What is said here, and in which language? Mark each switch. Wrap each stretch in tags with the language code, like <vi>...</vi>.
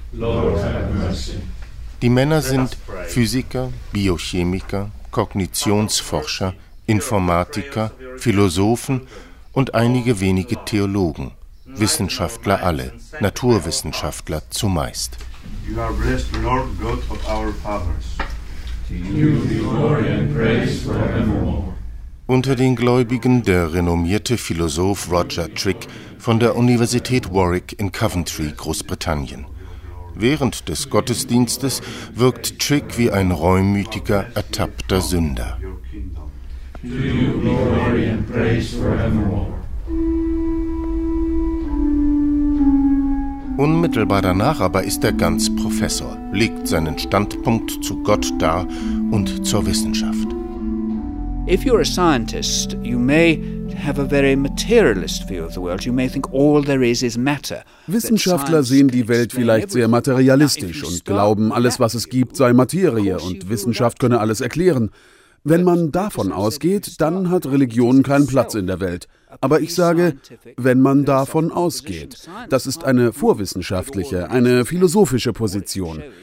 <en>Lord, have mercy.</en> <de>Die Männer sind Physiker, Biochemiker, Kognitionsforscher, Informatiker, Philosophen und einige wenige Theologen, Wissenschaftler alle, Naturwissenschaftler zumeist.</de> <en>You are blessed, Lord God of our fathers. To you be glory and praise forevermore.</en> <de>Unter den Gläubigen der renommierte Philosoph Roger Trick von der Universität Warwick in Coventry, Großbritannien. Während des Gottesdienstes wirkt Trick wie ein reumütiger, ertappter Sünder.</de> <en>To you glory and praise forevermore.</en> <de>Unmittelbar danach aber ist er ganz Professor, legt seinen Standpunkt zu Gott dar und zur Wissenschaft.</de> <en>If you're a scientist, you may have a very materialist view of the world. You may think all there is matter.</en> <de>Wissenschaftler sehen die Welt vielleicht sehr materialistisch und glauben, alles, was es gibt, sei Materie und Wissenschaft könne alles erklären. Wenn man davon ausgeht, dann hat Religion keinen Platz in der Welt. Aber ich sage, wenn man davon ausgeht, das ist eine vorwissenschaftliche, eine philosophische Position.</de>